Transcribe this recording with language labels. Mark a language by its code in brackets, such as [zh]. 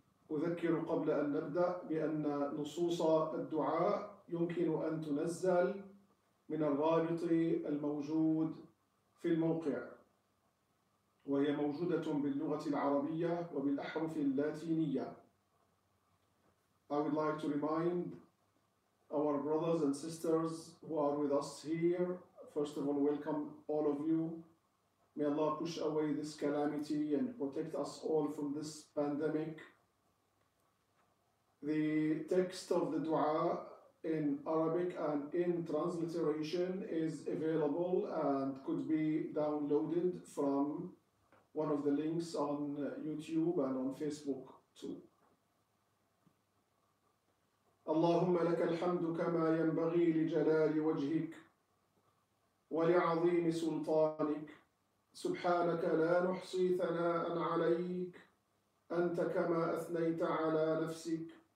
[ar] أذكر قبل أن نبدأ بأن نصوص الدعاء يمكن أن تنزل من الرابط الموجود في الموقع، وهي موجودة باللغة العربية وبالأحرف اللاتينية. [en] I would like to remind our brothers and sisters who are with us here. First of all, welcome all of you. May Allah push away this calamity and protect us all from this pandemic. The text of the dua in Arabic and in transliteration is available and could be downloaded from one of the links on YouTube and on Facebook too. [ar] اللهم لك الحمد كما ينبغي لجلال وجهك ولعظيم سلطانك، سبحانك لا نحصي ثناء عليك، أنت كما أثنيت على نفسك